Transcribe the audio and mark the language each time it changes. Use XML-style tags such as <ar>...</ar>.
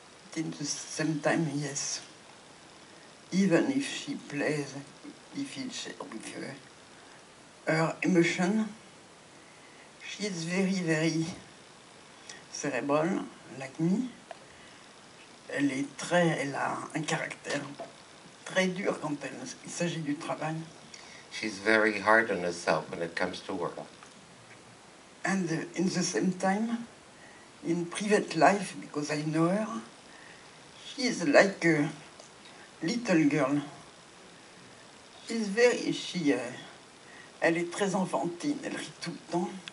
<en>But in the same time, yes. Even if she plays, if it's with her emotion, she's very, very cerebral, like me.</en> <fr>Elle est très, elle a un caractère très dur quand il s'agit du travail.</fr> <en>She's very hard on herself when it comes to work. And in the same time, in private life, because I know her, she's like a little girl. She's very,</en> <fr>elle est très enfantine, elle rit tout le temps.</fr>